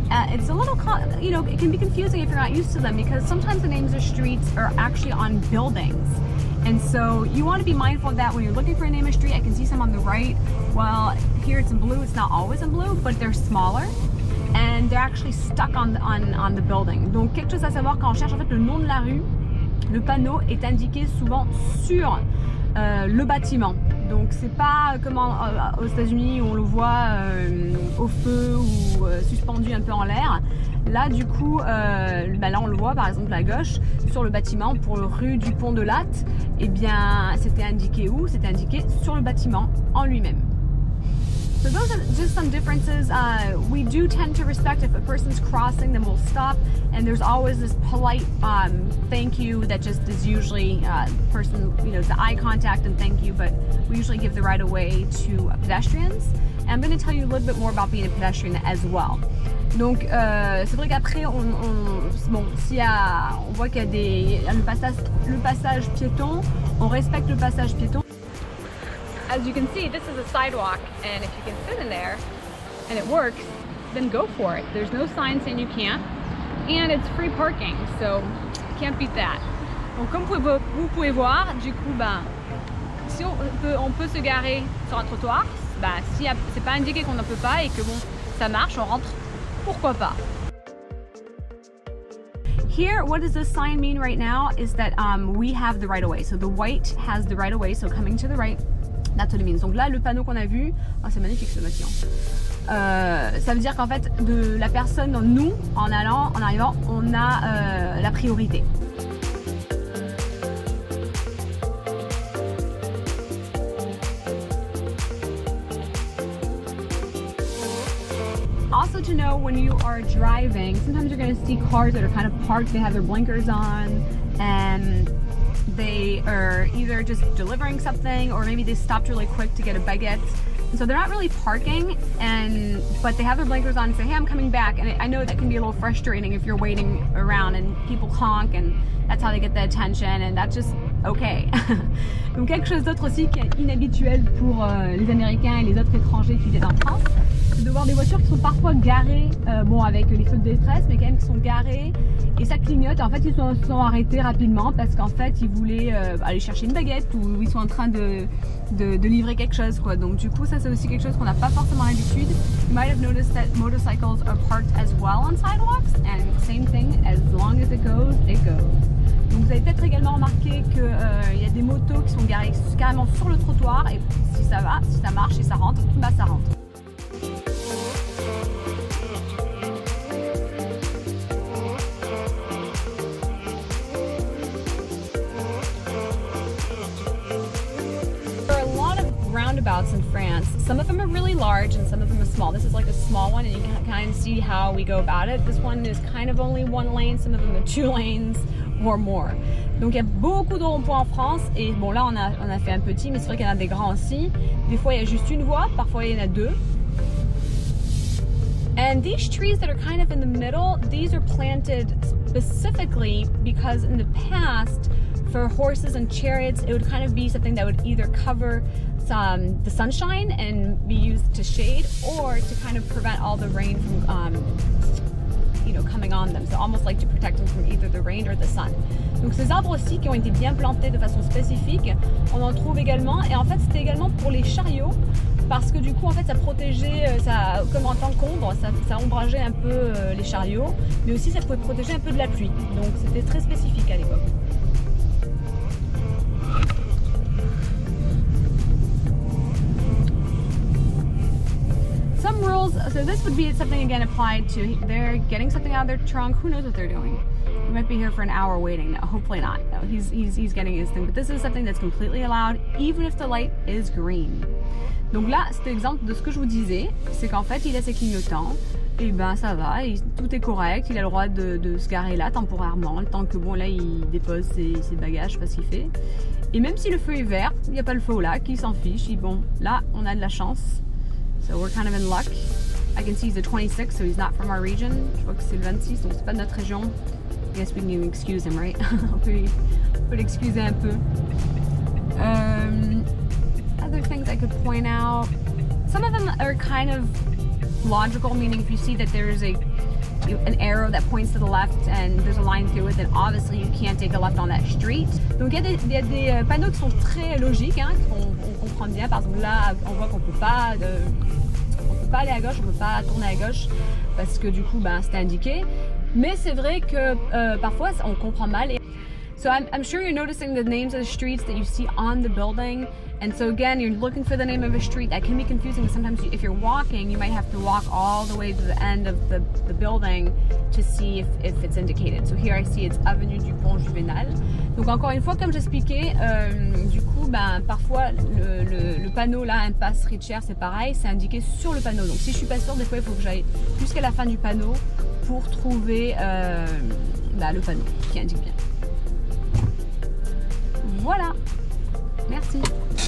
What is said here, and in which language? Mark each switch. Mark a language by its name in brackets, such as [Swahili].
[English] It's a little, you know, it can be confusing if you're not used to them because sometimes the names of streets are actually on buildings. And so you want to be mindful of that when you're looking for a name of street. I can see some on the right. Well, here it's in blue, it's not always in blue, but they're smaller. And they're actually stuck on the building. [French] Donc quelque chose à savoir quand on cherche en fait le nom de la rue, le panneau est indiqué souvent sur le bâtiment. Donc c'est pas comme aux États-Unis où on le voit au feu ou suspendu un peu en l'air. Là du coup, là on le voit par exemple à gauche sur le bâtiment pour le rue du pont de Latte. Eh bien c'était indiqué où? C'était indiqué sur le bâtiment en lui-même. [English] So those are just some differences. We do tend to respect if a person's crossing, then we'll stop. And there's always this polite thank you that just is usually the person, you know, the eye contact and thank you. But we usually give the right of way to pedestrians. And I'm going to tell you a little bit more about being a pedestrian as well. [French] Donc, c'est vrai qu'après, on voit qu'il y a le passage piéton, on respecte le passage piéton. [English] As you can see, this is a sidewalk, and if you can sit in there and it works, then go for it. There's no sign saying you can't, and it's free parking, so can't beat that. [French] Donc comme vous pouvez voir, du coup, ben, si on peut se garer sur un trottoir, ben, si c'est pas indiqué qu'on ne peut pas et que bon, ça marche, on rentre, pourquoi pas? [English] Here, what does this sign mean right now is that we have the right-of-way. So the white has the right-of-way, so coming to the right. That's what it means. [French] Donc là, le panneau qu'on a vu, oh, c'est magnifique ce bâtiment. Ça veut dire qu'en fait, de la personne, nous, en arrivant, on a la priorité. [English] Also to know when you are driving, sometimes you're going to see cars that are kind of parked, they have their blinkers on, and they are either just delivering something or maybe they stopped really quick to get a baguette. And so they're not really parking, but they have their blinkers on and say, hey, I'm coming back. And I know that can be a little frustrating if you're waiting around and people honk and that's how they get the attention and that's just okay. [French] Donc quelque chose d'autre aussi qui est inhabituel pour les Américains et les autres étrangers qui viennent en France, c'est de voir des voitures qui sont parfois garées, bon avec les feux de détresse, mais quand même qui sont garées. Et ça clignote, en fait ils sont arrêtés rapidement parce qu'en fait ils voulaient aller chercher une baguette ou ils sont en train de livrer quelque chose quoi. Donc du coup ça c'est aussi quelque chose qu'on n'a pas forcément l'habitude. [English] You might have noticed that motorcycles are parked as well on sidewalks and same thing, as long as it goes, it goes. [French] Donc vous avez peut-être également remarqué qu'il y a des motos qui sont garées carrément sur le trottoir et si ça va, si ça marche, si ça rentre, bah ça rentre. [English] Roundabouts and plants. Some of them are really large and some of them are small. This is like a small one and you can kind of see how we go about it. This one is kind of only one lane, some of them are two lanes or more. [French] Donc il y a beaucoup de ronds-points en France et bon là on a fait un petit, mais c'est vrai qu'il y en a des grands aussi. Des fois il y a juste une voie, parfois il y en a deux. [English] And these trees that are kind of in the middle, these are planted specifically because in the past, for horses and chariots, it would kind of be something that would either cover some the sunshine and be used to shade, or to kind of prevent all the rain from, you know, coming on them. So almost like to protect them from either the rain or the sun. [French] Donc ces arbres aussi qui ont été bien plantés de façon spécifique, on en trouve également. Et en fait, c'était également pour les chariots. Parce que du coup, en fait, ça protégeait, ça, comme en tant qu'ombre, ça ombrageait un peu les chariots, mais aussi ça pouvait protéger un peu de la pluie. Donc c'était très spécifique à l'époque. [English] Some rules, so this would be something again applied to, they're getting something out of their trunk, who knows what they're doing. We might be here for an hour waiting. No, hopefully not. No, he's getting his thing. But this is something that's completely allowed, even if the light is green. [French] Donc là, c'est l'exemple de ce que je vous disais, c'est qu'en fait, il a ses clignotants, et ben ça va, tout est correct, il a le droit de se garer là temporairement, le temps que bon là, il dépose ses bagages, je sais pas ce qu'il fait. Et même si le feu est vert, il n'y a pas le feu au lac, il s'en fiche. Et bon, là, on a de la chance. [English] So we're kind of in luck. I can see he's a 26, so he's not from our region. [French] Je vois que c'est le 26, donc c'est pas de notre région. [English] I guess we can excuse him, right? [French] on peut l'excuser un peu. [English] Other things I could point out. Some of them are kind of logical, meaning if you see that there is an arrow that points to the left and there's a line through it, then obviously you can't take a left on that street. [French] Donc il y a des panneaux qui sont très logiques, hein, qu'on comprend bien. Par exemple, là, on voit qu'on peut pas aller à gauche, on peut pas tourner à gauche parce que du coup, ben, c'est indiqué. Mais c'est vrai que parfois on comprend mal. [English] So I'm sure you're noticing the names of the streets that you see on the building. And so again, you're looking for the name of a street. That can be confusing. Sometimes if you're walking, you might have to walk all the way to the end of the building to see if it's indicated. So here I see it's Avenue du Pont Juvenal. [French] Donc encore une fois, comme j'expliquais, du coup, ben, parfois le panneau là, impasse Richer, c'est pareil, c'est indiqué sur le panneau. Donc si je suis pas sûre, des fois il faut que j'aille jusqu'à la fin du panneau pour trouver le panneau qui indique bien. Voilà, merci.